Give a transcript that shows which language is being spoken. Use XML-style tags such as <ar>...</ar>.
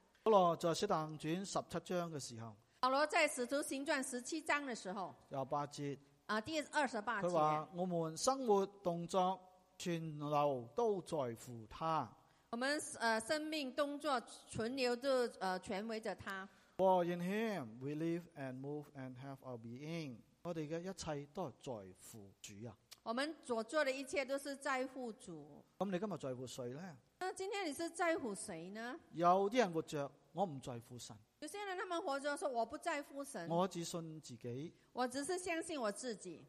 <zh>保罗在使徒行传十七章的时候，保罗在使徒行传十七章的时候，有八节，第二十八节，他说我们生活动作全流都在乎他，我们生命动作存留都全围着他，</zh> <en>For in him we live and move and have our being.</en> <zh>我们的一切都是在乎主啊。我们所做的一切都是在乎主。那你今天在乎谁呢？那今天你是在乎谁呢？有些人活着，我不在乎神。有些人他们活着说我不在乎神，我只信自己，我只是相信我自己。</zh>